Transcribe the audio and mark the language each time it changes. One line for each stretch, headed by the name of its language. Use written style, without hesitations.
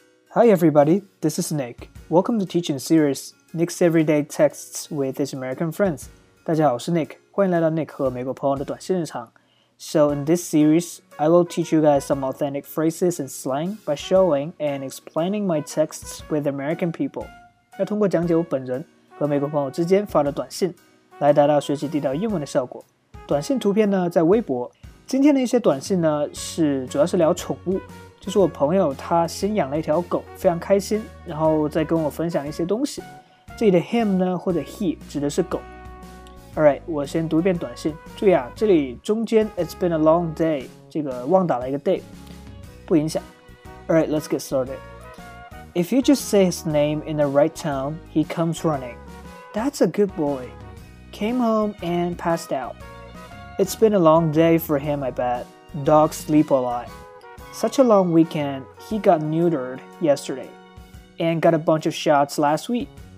English: Hi everybody, this is Nick. Welcome to Teaching Series, Nick's Everyday Texts with His American Friends.
Chinese: 大家好,我是 Nick, 欢迎来到 Nick 和美国朋友的短信日常。
English: So in this series, I will teach you guys some authentic phrases and slang by showing and explaining my texts with American people.
Chinese: 要通过讲解我本人和美国朋友之间发的短信来达到学习地道英文的效果。短信图片呢在微博。今天的一些短信呢是主要是聊宠物。就是我朋友他新养了一条狗，非常开心，然后再跟我分享一些东西。这里的 him 呢，或者 he 指的是狗。Alright, 我先读一遍短信。注意啊，这里中间
English: it's been a long day,
Chinese: 这个忘打了一个 day, 不影响。
English: Alright, let's get started. If you just say his name in the right tone, he comes running. That's a good boy. Came home and passed out. It's been a long day for him, I bet. Dogs sleep a lot. Such a long weekend, he got neutered yesterday and got a bunch of shots last week.